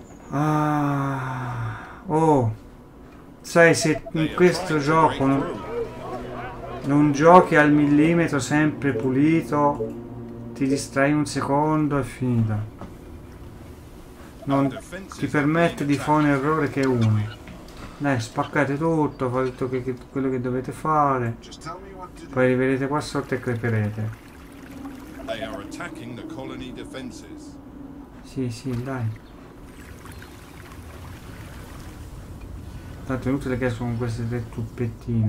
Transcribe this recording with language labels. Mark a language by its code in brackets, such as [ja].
[it] Ah, oh. Sai, se in questo gioco non giochi al millimetro sempre pulito, ti distrai un secondo e finita. Non ti permette di fare un errore che è uno. Dai, spaccate tutto, fate tutto quello che dovete fare. Poi arriverete qua sotto e creperete. [en] They are attacking the colony defenses. [it] Sì, sì, dai. Tanto è inutile che sono queste tre tuppettine.